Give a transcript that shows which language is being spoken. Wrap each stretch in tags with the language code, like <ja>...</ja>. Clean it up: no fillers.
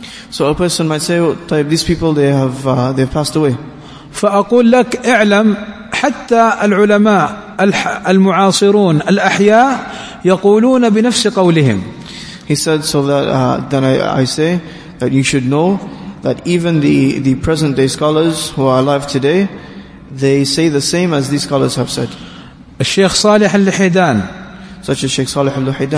<en>So a person might say, well,</en> <ar>طيب,</ar> <en>these people, they have passed away.</en> <ar>فأقول لك اعلم حتى العلماء المعاصرون الأحياء يقولون بنفس قولهم.</ar> <en>He said, so that then I say that you should know that even the present day scholars who are alive today, they say the same as these scholars have said.</en> <ar>الشيخ صالح اللحيدان.</ar> <en>Such as Sheikh Salih al-Luhaydan.</en>